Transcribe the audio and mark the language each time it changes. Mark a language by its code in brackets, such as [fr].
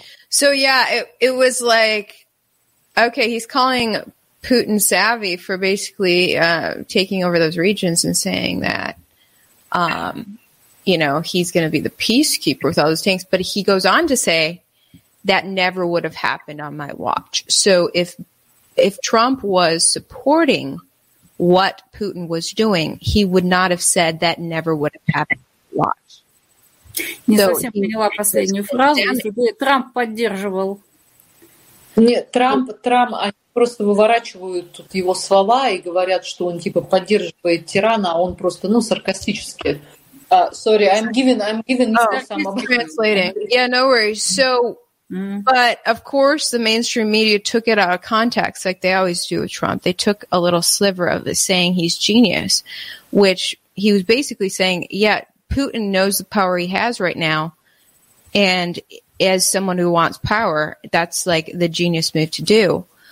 [en] So, yeah, it was like, okay, he's calling Putin savvy for basically taking over those regions and saying that, you know, he's going to be the peacekeeper with all those tanks. But he goes on to say that never would have happened on my watch. So if Trump was supporting what Putin was doing, he would not have said that never would have happened on my watch. [ru] Не совсем поняла последнюю фразу. Если бы Трамп поддерживал. Нет, Трамп, они просто выворачивают тут его слова и говорят, что он типа поддерживает тирана, а он просто, ну, саркастически. [en] Sorry, I'm giving Mr. Some of translating. Yeah, no worries. So, but of course, the mainstream media took it out of context, like they always do with Trump. They took a little sliver of it, saying he's genius, which he was basically saying, yeah, Putin knows the power he has right now, and as someone who wants power, that's like the genius move to do.